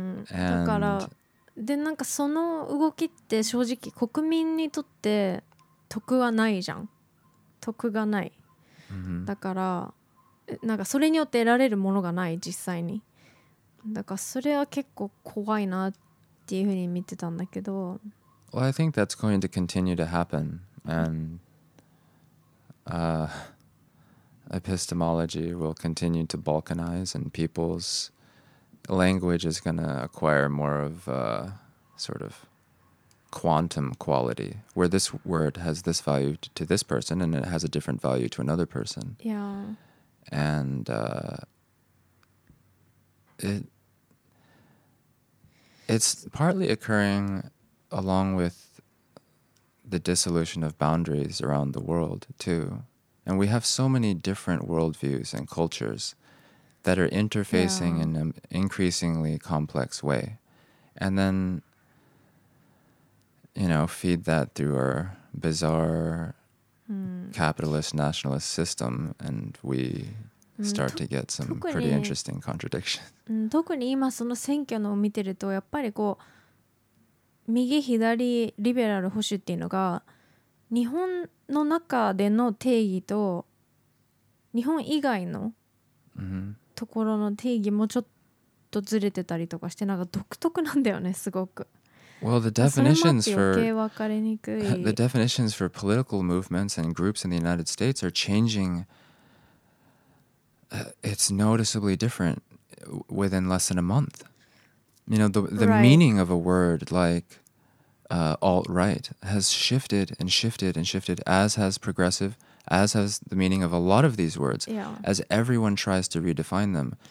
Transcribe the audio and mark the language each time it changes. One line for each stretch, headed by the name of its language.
Japanese: だから、で、なんかその動きって正直国民にとって得はないじゃん。得がない。だから、なんかそれによって得られるものがない、実際に。だからそれは結構怖いなっていうふうに見てたんだけど。
English: Well, I think that's going to continue to happen. And, epistemology will continue to balkanize, and people's language is going to acquire more of a sort of quantum quality, where this word has this value to this person and it has a different value to another person. Yeah. And it's partly occurring along with the dissolution of boundaries around the world too. And we have so many different worldviews and cultures that are interfacing in an increasingly complex way. And then, you know, feed that through our bizarre capitalist nationalist system, and we start to get some pretty interesting contradictions.
Japanese: 特に今その選挙のを見てると、やっぱりこう右左リベラル保守っていうのが日本の中での定義と日本以外のところの定義もちょっとずれてたりとかして、なんか独特なんだよね、すごく。
English: Well, the definitions for the definitions for political movements and groups in the United States are changing. It's noticeably different within less than a month. You know, the meaning of a word like. Alt-right has shifted and shifted and shifted, as has progressive, as has the meaning of a lot of these words, as everyone tries to redefine them.